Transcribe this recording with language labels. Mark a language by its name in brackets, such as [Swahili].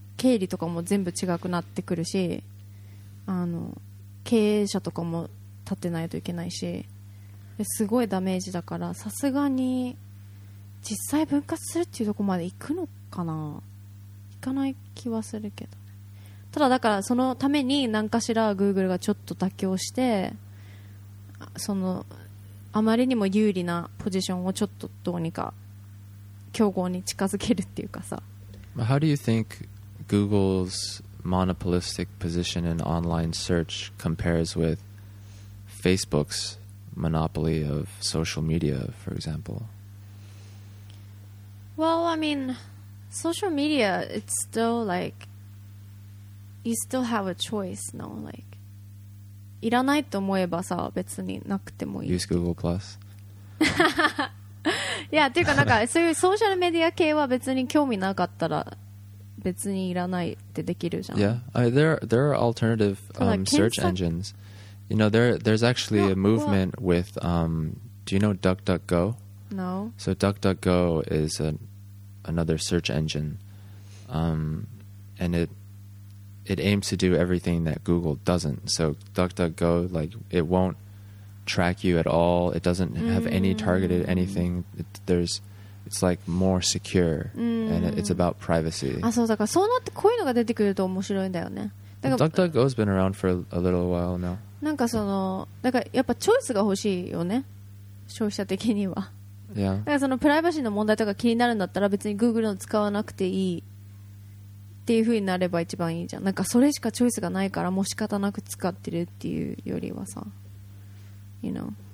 [Japanese] 経理とかも全部違くなってくるし、あの経営者とかも立てないといけないし、すごいダメージだから、さすがに実際分割するっていうところまで行くのかな、行かない気はするけど。ただだからそのために何かしら Google がちょっと妥協して、そのあまりにも有利なポジションをちょっとどうにか競合に近づけるっていうかさ。 [English] How do you think Google's monopolistic position in online search compares with Facebook's monopoly of social media, for example? Well, I mean, social media, it's still like you still have a choice, no? [Japanese] Like, いらないと思えばさ、別になくてもいい。 [English] Use Google Plus? [Japanese] いやっていうか、なんかそういうソーシャルメディア系は別に興味なかったら別にいらないってできるじゃん。 [English] Yeah, there are alternative search engines. You know, there's actually a movement with do you know DuckDuckGo? No. So DuckDuckGo is another search engine, and it aims to do everything that Google doesn't. So DuckDuckGo, like, it won'ttrack you at all, it doesn't have any targeted anything, it's like more secure and it's about privacy. [Japanese] あ、そうだから、そうなってこういうのが出てくると面白いんだよね。だから [English] DuckDuckGo has been around for a little while now. [Japanese] なんかそのだからやっぱチョイスが欲しいよね、消費者的には。 [English] Yeah. [Japanese] だからそのプライバシーの問題とか気になるんだったら別に Google の使わなくていいっていう風になれば一番いいじゃん。なんかそれしかチョイスがないからもう仕方なく使ってるっていうよりはさ、 [English] You know.